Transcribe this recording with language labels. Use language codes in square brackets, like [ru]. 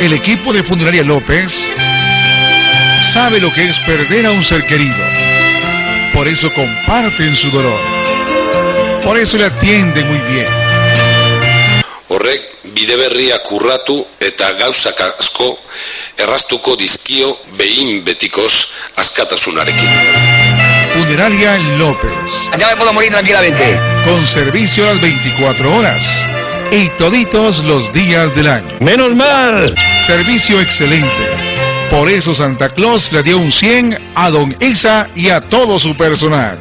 [es] El equipo de Funeraria López sabe lo que es perder a un ser querido. Por eso comparten su dolor. Por eso le atienden muy bien. [eu] Horrek bide berriak urratu eta gauzak asko erraztuko dizkio behin betikoz askatasunarekin. [es] Funeraria López. Ya me puedo morir tranquilamente. Con servicio las 24 horas y toditos los días del año. ¡Menos mal! Servicio excelente. Por eso Santa Claus le dio un 100 a Don Isa y a todo su personal.